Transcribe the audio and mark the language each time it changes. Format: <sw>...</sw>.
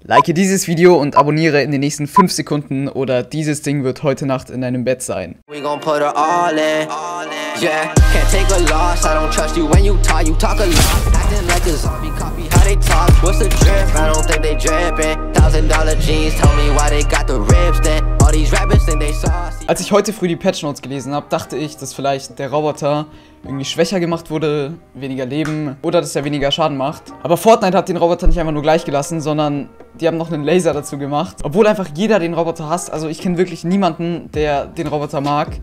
<de>Like dieses Video und abonniere in den nächsten 5 Sekunden oder dieses Ding wird heute Nacht in deinem Bett sein.</de> <en>We gon' put her all in, yeah. Can't take a loss, I don't trust you when you talk a lot. Acting like a zombie, copy how they talk. What's the drip? I don't think they dripping. $1000 jeans, tell me why they got the ribs then. All these rappers think they saucy.</en> <de>Als ich heute früh die Patch Notes gelesen habe, dachte ich, dass vielleicht der Roboter irgendwie schwächer gemacht wurde, weniger Leben oder dass er weniger Schaden macht. Aber Fortnite hat den Roboter nicht einfach nur gleich gelassen, sondern die haben noch einen Laser dazu gemacht. Obwohl einfach jeder den Roboter hasst. Also ich kenne wirklich niemanden, der den Roboter mag.</de>